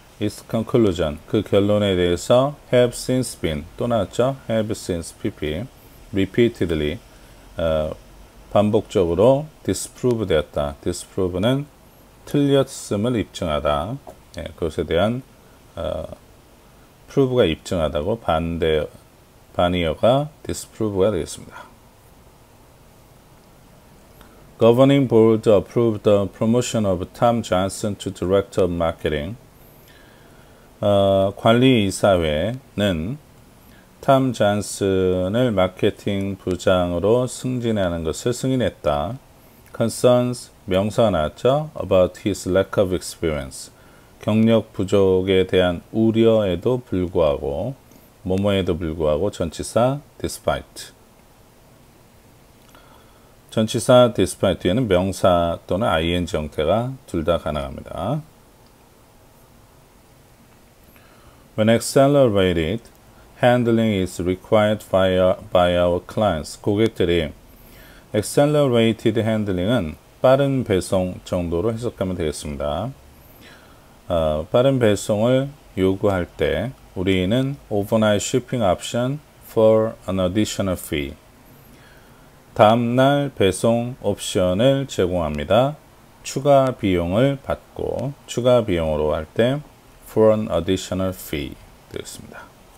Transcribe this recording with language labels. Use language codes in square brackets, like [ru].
[en] Its conclusion, [ko] 그 결론에 대해서 [en] have since been, [ko] 또 나왔죠? [en] have since pp, repeatedly, 반복적으로 disprove 되었다. [ko] disprove는 틀렸음을 입증하다. 예, 그것에 대한 prove가 입증하다고 반이어가 disprove가 되겠습니다. [en] Governing board approved the promotion of Tom Johnson to director of marketing. [ko] 관리이사회는 탐 잔슨을 마케팅 부장으로 승진하는 것을 승인했다. Concerns, 명사가 나왔죠. [en] About his lack of experience. [ko] 경력 부족에 대한 우려에도 불구하고, 뭐뭐에도 불구하고 전치사 despite. 전치사 despite 뒤에는 명사 또는 ing 형태가 둘다 가능합니다. [en] When accelerated handling is required by our clients, [ko] 고객들이 [en] accelerated handling은 [ko] 빠른 배송 정도로 해석하면 되겠습니다. 빠른 배송을 요구할 때 우리는 [en] overnight shipping option for an additional fee. [ko] 다음날 배송 옵션을 제공합니다. 추가 비용을 받고, 추가 비용으로 할 때, [en] for an additional fee [ko] 되겠습니다.